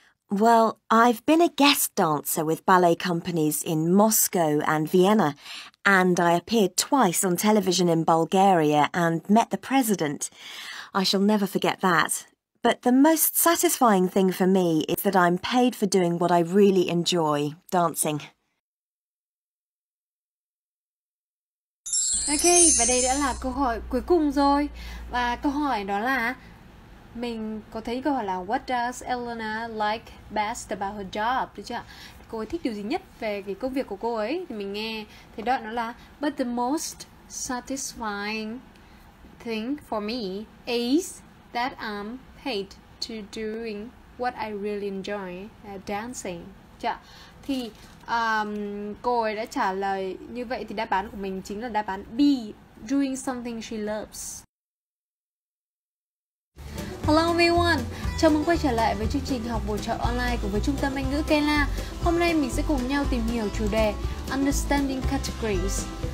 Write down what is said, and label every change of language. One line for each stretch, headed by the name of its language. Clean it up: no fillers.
English: Well, I've been a guest dancer with ballet companies in Moscow and Vienna, and I appeared twice on television in Bulgaria and met the president. I shall never forget that. But the most satisfying thing for me is that I'm paid for doing what I really enjoy, dancing.
Vietnamese: Ok, và đây đã là câu hỏi cuối cùng rồi. Và câu hỏi đó là mình có thấy câu hỏi là
English: what does Elena like best about her job?
Vietnamese: Được chưa? Cô ấy thích điều gì nhất về cái công việc của cô ấy? Thì mình nghe thấy đoạn đó là
English: but the most satisfying thing for me is that I'm paid to doing what I really enjoy, dancing.
Vietnamese: Chưa? Thì cô ấy đã trả lời như vậy thì đáp án của mình chính là đáp án B,
English: doing something she loves.
Vietnamese: Hello everyone, chào mừng quay trở lại với chương trình học bổ trợ online của Trung tâm Anh ngữ Kela. Hôm nay mình sẽ cùng nhau tìm hiểu chủ đề Understanding Categories.